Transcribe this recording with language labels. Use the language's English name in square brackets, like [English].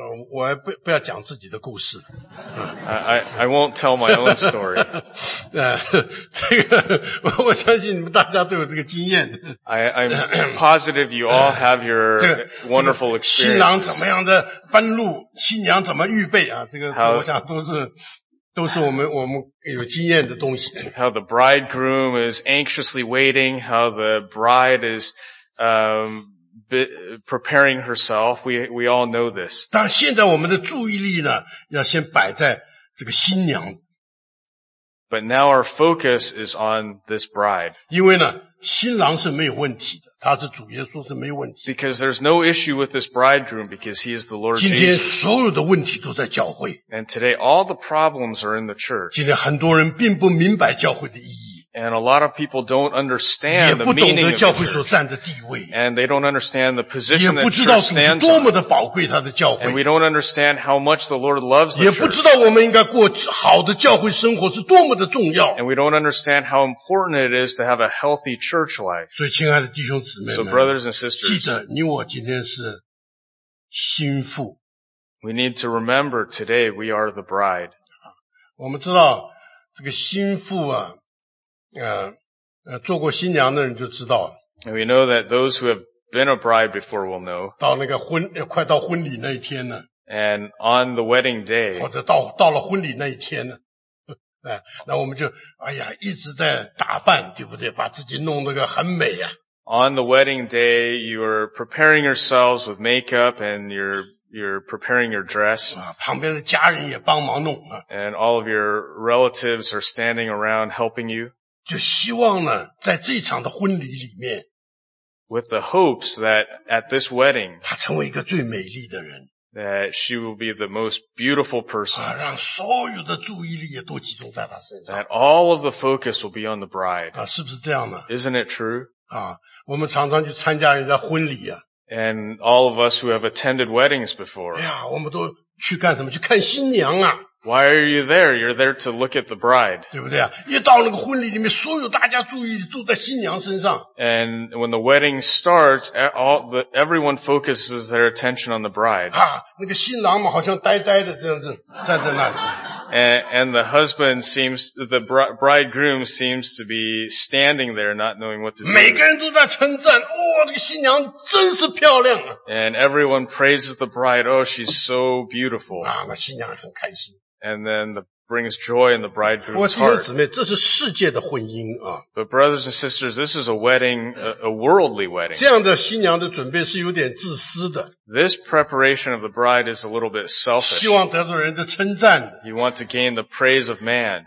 [Chinese] 我还 不要讲自己的故事。 [English] I won't tell my own story. [Chinese] 这个我相信你们大家都有这个经验。 [English] I'm positive you all have your wonderful experience. [Chinese] 新郎怎么样的奔路新娘怎么预备啊这个我想都是我们有经验的东西。 [English] How the bridegroom is anxiously waiting, how the bride is, preparing herself, we all know this. [Chinese] 但现在我们的注意力呢，要先摆在这个新娘。 [English] But now our focus is on this bride. [Chinese] 因为呢，新郎是没有问题的，他是主耶稣是没有问题。 [English] Because there's no issue with this bridegroom because he is the Lord Jesus. [Chinese] 今天所有的问题都在教会。 [English] And today all the problems are in the church. [Chinese] 今天很多人并不明白教会的意义。 [English] And a lot of people don't understand the meaning of the church. [Chinese] 也不懂得教会所站的地位。 [English] And they don't understand the position that the church stands on. [Chinese] 也不知道主多么的宝贵他的教会。 [English] And we don't understand how much the Lord loves the [Chinese] church. 也不知道我们应该过好的教会生活是多么的重要。 [English] And we don't understand how important it is to have a healthy church life. [Chinese] 所以亲爱的弟兄姊妹们。 [English] So brothers and sisters. [Chinese] 记得你我今天是新妇。 [English] We need to remember today we are the bride. [Chinese] 我们知道这个新妇啊做过新娘的人就知道了。 [English] We know that those who have been a bride before will know. [Chinese] 到那个快到婚礼那一天呢。 [English] And on the wedding day. [Chinese] 或者到了婚礼那一天呢。那我们就哎呀一直在打扮对不对把自己弄得个很美啊。 [English] On the wedding day, you are preparing yourselves with makeup and you're preparing your dress. [Chinese] 旁边的家人也帮忙弄。 [English] And all of your relatives are standing around helping you. [Chinese] 就希望呢在这场的婚礼里面 [English] with the hopes that at this wedding [Chinese] 她成为一个最美丽的人 [English] that she will be the most beautiful person [Chinese] 让所有的注意力也都集中在她身上 [English] that all of the focus will be on the bride [Chinese] 是不是这样呢 [English] isn't it true [Chinese] 我们常常去参加人家婚礼啊 [English] and all of us who have attended weddings before [Chinese] 哎呀我们都去干什么去看新娘啊 [English] Why are you there? You're there to look at the bride. [Chinese] 对不对啊？一到那个婚礼里面，所有大家注意都在新娘身上。 [English] And when the wedding starts, everyone focuses their attention on the bride. [Chinese] 那个新郎嘛，好像呆呆的这样子站在那里。 [English] And the husband seems, the bridegroom seems to be standing there not knowing what to do. [Chinese] 每个人都在称赞，哦，这个新娘真是漂亮啊。 [English] And everyone praises the bride, oh, she's so beautiful. [Chinese] 那新娘很开心。 [English] And then brings joy in the bridegroom's heart. [Chinese] 弟兄姊妹，这是世界的婚姻啊。 [English] But brothers and sisters, this is a wedding, a worldly wedding. [Chinese] 这样的新娘的准备是有点自私的。 [English] This preparation of the bride is a little bit selfish. [Chinese] 希望得到人的称赞。 [English] You want to gain the praise of man.